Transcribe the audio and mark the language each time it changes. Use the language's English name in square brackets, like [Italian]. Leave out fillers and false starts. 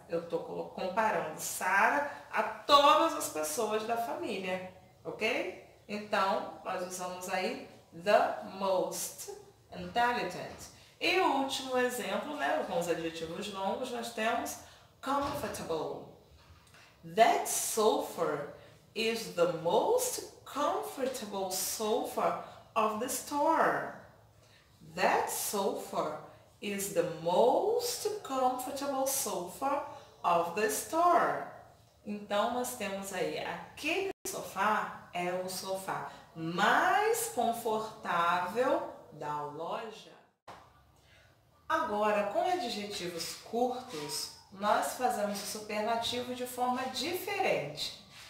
[Portuguese] Eu estou comparando Sarah a todas as pessoas da família, ok? Então, nós usamos aí [English] the most intelligent. [Portuguese] E o último exemplo, né, com os adjetivos longos, nós temos comfortable. [English] That sofa is the most comfortable sofa of the store. That sofa is the most comfortable sofa of the store. [Portuguese] Então, nós temos aí aquele sofá é o sofá mais confortável da loja. Agora, com adjetivos curtos, nós fazemos o superlativo de forma diferente.